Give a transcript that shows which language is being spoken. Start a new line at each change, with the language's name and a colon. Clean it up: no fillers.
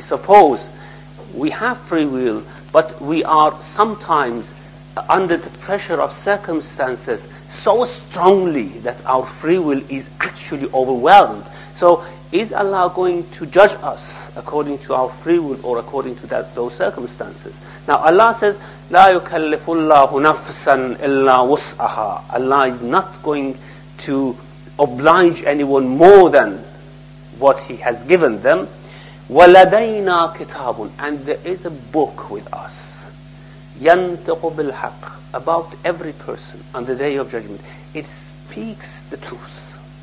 English: Suppose we have free will, but we are sometimes under the pressure of circumstances so strongly that our free will is actually overwhelmed. So is Allah going to judge us according to our free will or according to that, those circumstances? Now Allah says,
Arabic: لا يكلف الله نفسا إلا وسعها.
English: Allah is not going to oblige anyone more than what He has given them.
Arabic: ولدينا كتاب.
English: And there is a book with us.
Arabic: ينطق بالحق.
English: About every person on the day of judgment, it speaks the truth.